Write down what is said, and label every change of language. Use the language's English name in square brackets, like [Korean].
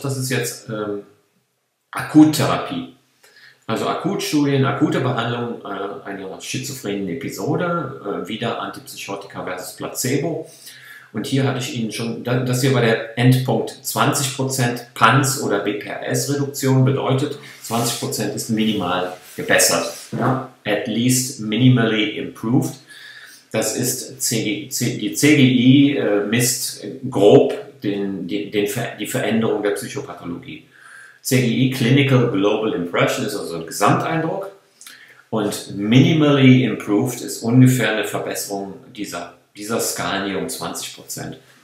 [German] Das ist jetzt Akuttherapie. Also Akutstudien, akute Behandlung einer schizophrenen Episode, wieder Antipsychotika versus Placebo. Und hier hatte ich Ihnen schon, das hier war der Endpunkt 20% PANS oder BPRS-Reduktion bedeutet, 20% ist minimal gebessert. Ja. [English] At least minimally improved. [German] Das ist, die CGI misst grob die Veränderung der Psychopathologie. CGI, Clinical Global Impression, ist also ein Gesamteindruck. Und Minimally Improved ist ungefähr eine Verbesserung dieser Skalen hier um 20%.